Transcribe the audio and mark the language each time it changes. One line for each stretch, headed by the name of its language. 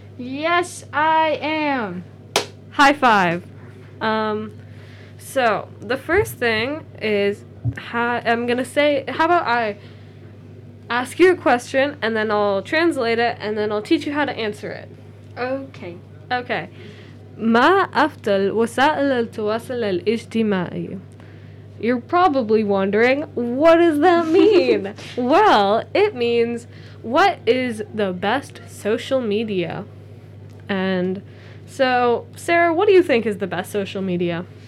English: Yes, I am. High five. So the first thing is, I'm gonna say, how about I ask you a question and then I'll translate it and then I'll teach you how to answer it. Okay. Okay.
Arabic: ما أفضل وسائل التواصل الاجتماعي?
English: You're probably wondering, what does that mean? Well, it means, what is the best social media? And so, Sarah, what do you think is the best social media?